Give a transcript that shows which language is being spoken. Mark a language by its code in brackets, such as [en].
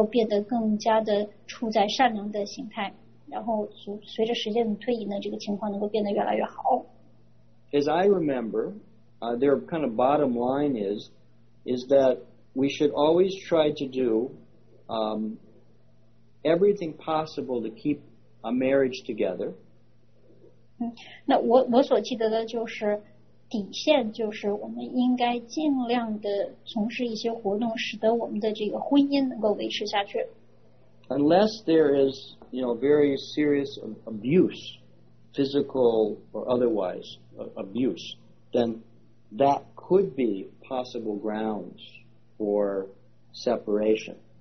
[zh] 所以呢，在如果是这样的一种状况呢，那就开始先从低等的标准先做起。那么希望随着时间的推移呢，就是另外一边不是奉献者的这个奉献者呢，他能够变得逐渐的提升，然后变得更加的处在善良的形态。 [en] As I remember, their kind of bottom line is that we should always try to do everything possible to keep a marriage together. [zh] 那我所记得的就是底线，就是我们应该尽量的从事一些活动，使得我们的这个婚姻能够维持下去。 [en] Unless there is, you know, very serious abuse, physical or otherwise abuse, then that could be possible grounds for separation.